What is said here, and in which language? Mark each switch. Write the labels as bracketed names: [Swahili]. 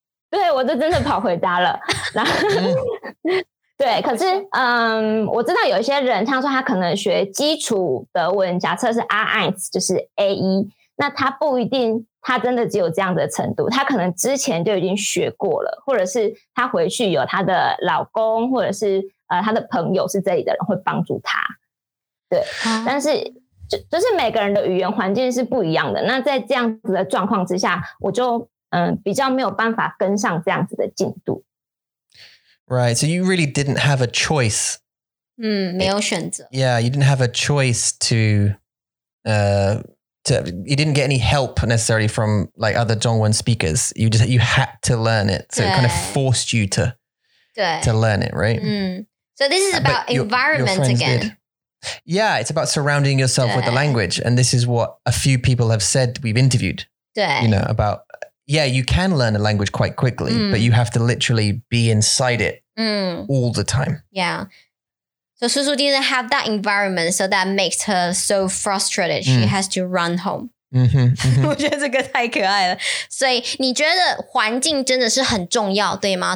[Chinese] 对我就真的跑回家了然后对，可是我知道有一些人，像说他可能学基础德文，假设是 A1， 就是 A1， 那他不一定，他真的只有这样的程度，他可能之前就已经学过了，或者是他回去有他的老公，或者是他的朋友是这里的人会帮助他。对，但是就是每个人的语言环境是不一样的，那在这样子的状况之下，我就比较没有办法跟上这样子的进度。 [English] Right, so you really didn't have a choice. [Chinese] 没有选择。 [English] Yeah, you didn't have a choice to you didn't get any help necessarily from like other Zhongwen speakers. You had to learn it. So it kind of forced you to learn it, right? So this is about environment again. Yeah, it's about surrounding yourself with the language. And this is what a few people have said we've interviewed. You know, about, yeah, you can learn a language quite quickly, but you have to literally be inside it all the time. Yeah. So Susu didn't have that environment, so that makes her so frustrated. She has to run home. Mm-hmm, [Chinese] mm-hmm. 我觉得这个太可爱了。所以你觉得环境真的是很重要，对吗？